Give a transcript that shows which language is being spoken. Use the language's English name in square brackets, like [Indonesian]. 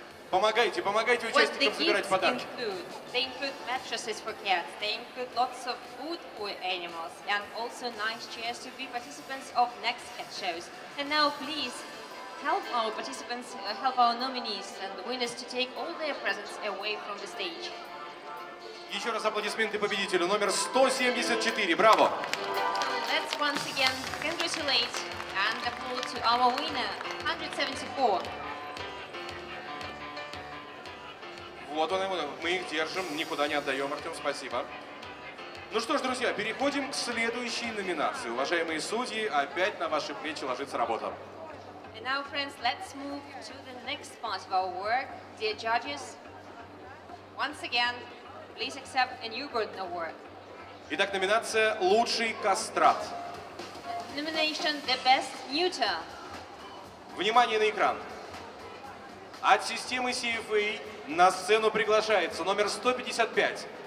[Russian] Помогайте, помогайте участникам собирать подарки. [English] They include mattresses for cats, they include lots of food for animals, and also nice chairs to be participants of next cat shows. And now please help our participants, help our nominees and the winners to take all their presents away from the stage. [Russian] Еще раз аплодисменты победителю, номер 174, браво! [English] Let's once again congratulate and applaud to our winner, 174. [Russian] Вот он, мы их держим, никуда не отдаем, Артем, спасибо. Ну что ж, друзья, переходим к следующей номинации. Уважаемые судьи, опять на ваши плечи ложится работа. [English] And now, friends, let's move to the next part of our work. Dear judges, once again, Please accept a new Burton Award. [Russian] Итак, номинация «Лучший кастрат». [English] Nomination «The Best Neuter». [Russian] Внимание на экран. От системы CFA на сцену приглашается номер 155.